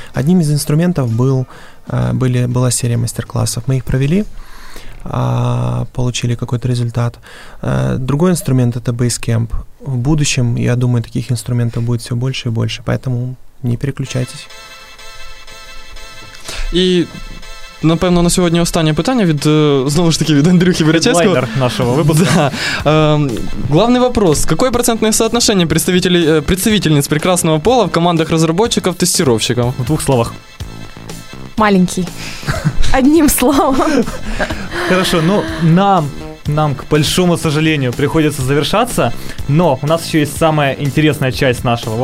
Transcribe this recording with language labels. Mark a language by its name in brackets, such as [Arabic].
[Russian] Одним из инструментов была серия мастер-классов, мы их провели, получили какой-то результат. Другой инструмент — это Basecamp. В будущем, я думаю, таких инструментов будет все больше и больше, поэтому не переключайтесь. [Ukrainian] И, напевно, на сьогодні останнє питання від, знову ж таки, від Андрюхи Веретецького. Хедлайнер нашого випуску. [Russian] Да. Главний вопрос. Какое процентное соотношение представительниц прекрасного пола в командах разработчиков-тестировщиков? В двух словах. Маленький. Одним словом. Хорошо, ну, нам, к большому сожалению, приходится завершаться, но у нас еще есть самая интересная часть нашего.